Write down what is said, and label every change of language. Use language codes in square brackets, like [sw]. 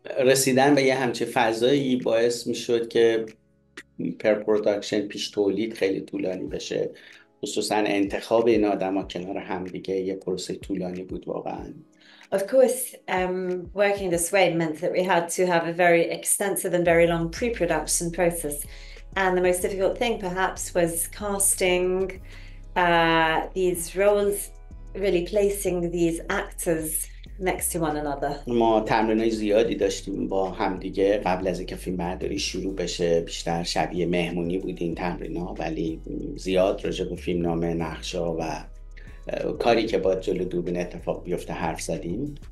[fa] رسیدن به یه همچین فضایی باعث می شد که پر پروداکشن پیش تولید خیلی طولانی بشه، خصوصا انتخاب این آدم ها کنار هم دیگه یه پروسه طولانی بود واقعا. [en] Of course, working this way meant that we had to have a very extensive and very long pre-production process. And the most difficult thing, perhaps, was casting these roles, really placing these actors next to one another. [fa] ما تمرین های زیادی داشتیم با همدیگه قبل از اینکه فیلم برداری شروع بشه، بیشتر شبیه مهمونی بود این تمرین ها، ولی زیاد راجع به فیلم نامه، نقش ها و کاری که باید جلو دوربین اتفاق بیفته حرف زدیم.